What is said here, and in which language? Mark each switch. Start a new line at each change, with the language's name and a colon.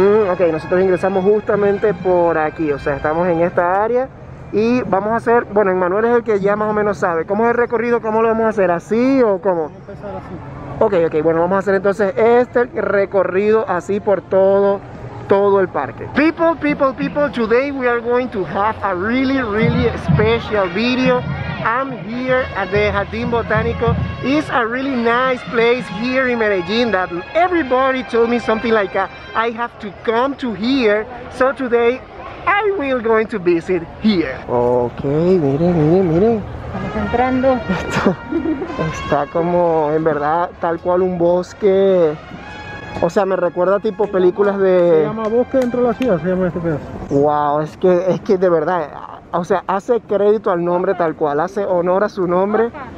Spanish: Ok, nosotros ingresamos justamente por aquí, o sea, estamos en esta área. Y vamos a hacer, bueno, Emmanuel es el que ya más o menos sabe. ¿Cómo es el recorrido? ¿Cómo lo vamos a hacer? ¿Así o cómo? Vamos a empezar así. Ok, bueno, vamos a hacer entonces este recorrido así por todo el parque.
English: People, today we are going to have a really, really special video. I'm here at the Jardín Botánico. It's a really nice place here in Medellín that everybody told me something like that. I have to come to here, so today I will going to visit here.
Spanish: Okay, miren. Estamos entrando. Esto está como, en verdad, tal cual un bosque. O sea, me recuerda tipo películas de... Se llama Bosque dentro de la ciudad, se llama este pedazo. Wow, es que de verdad, o sea, hace crédito al nombre tal cual, hace honor a su nombre.